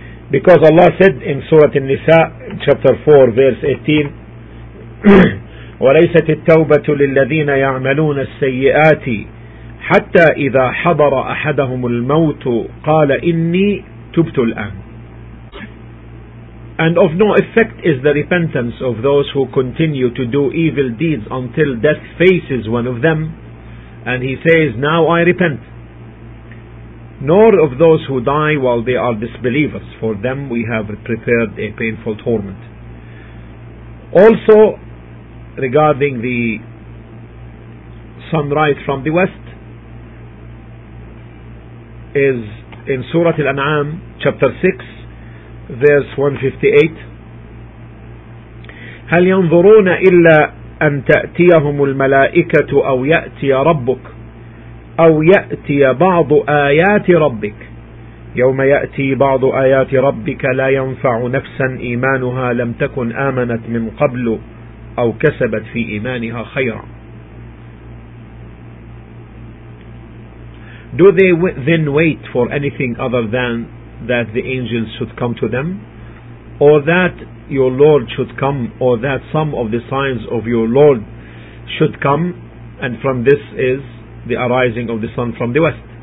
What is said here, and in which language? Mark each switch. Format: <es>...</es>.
<en>Because Allah said in Surah An-Nisa, chapter 4, verse 18,</en> <ar>وَلَيْسَتِ التَّوْبَةُ لِلَّذِينَ يَعْمَلُونَ السَّيِّئَاتِ حَتَّى إِذَا حَضَرَ أَحَدَهُمُ الْمَوْتُ قَالَ إِنِّي تُبْتُ الْآنِ.</ar> <en>And of no effect is the repentance of those who continue to do evil deeds until death faces one of them, and he says, now I repent. Nor of those who die while they are disbelievers. For them we have prepared a painful torment. Also, regarding the sunrise from the west, is in Surah Al-An'am, chapter 6, verse 158.</en> <ar>هَلْ يَنْظُرُونَ إِلَّا أَنْ تَأْتِيَهُمُ الْمَلَائِكَةُ أَوْ يَأْتِيَ رَبُّكَ أو يأتي بعض آيات ربك يوم يأتي بعض آيات ربك لا ينفع نفسا إيمانها لم تكن آمنت من قبل أو كسبت في إيمانها خيرا.</ar> <en>Do they then wait for anything other than that the angels should come to them, or that your Lord should come, or that some of the signs of your Lord should come, and from this is the arising of the sun from the west.</en>